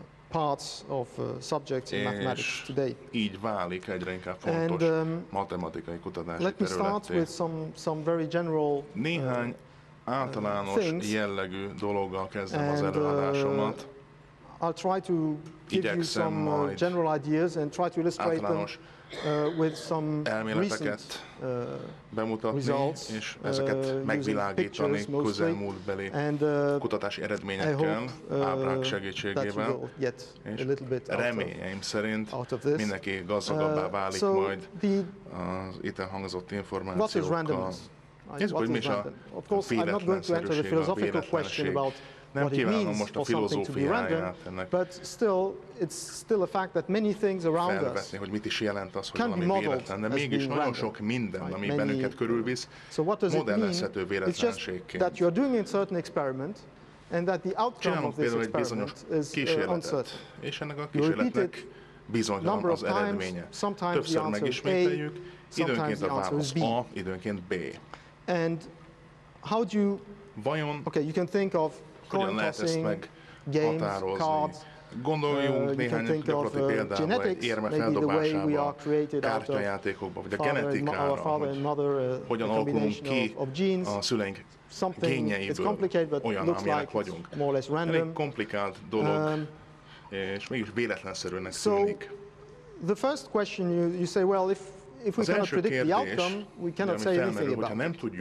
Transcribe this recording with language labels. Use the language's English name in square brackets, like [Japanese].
[English] Parts of subjects in mathematics today. [Hungarian] Így válik egyre inkább fontos and, matematikai kutatási területté. [English] Let me start with some very general [Hungarian] néhány általános jellegű dologgal kezdem az előadásomat. [English] I'll try to give you some general ideas and try to illustrate them with some [Hungarian] elméleteket bemutatni, és ezeket megvilágítani közelmúltbeli kutatási eredményekkel, ábrák segítségével, és reményeim szerint mindenki gazdagabbá válik majd az itt elhangzott információkkal. Ez hogy mi is a véletlenség. Nem kívánom most a filozófiáját ennek, [English] but still, it's still a fact that many things around us [Hungarian] hogy mit is jelent az, hogy valami véletlen, de mégis nagyon sok minden, ami bennünket körülvisz, modellezhető véletlenségként. [English] That you're doing a certain experiment, and that the outcome of this experiment is uncertain. [Hungarian] És ennek a kísérletnek bizonytalan az eredménye. Többször megismételjük, időnként a válasz A, időnként B. [English] And how do you? [Hungarian] Vajon? [English] Okay, you can think of [Hungarian] hogyan lehet ezt meghatározni. Gondoljunk néhány gyakorlati példára, egy érme feldobásába, kártyajátékokba, vagy a genetikára, hogy hogyan alakulunk ki a szüleink génjeiből olyan, amilyenek vagyunk. Elég komplikált dolog, és mégis véletlenszerűnek tűnik. [English] The first question you say, well, if we cannot predict the outcome, we cannot say anything about it.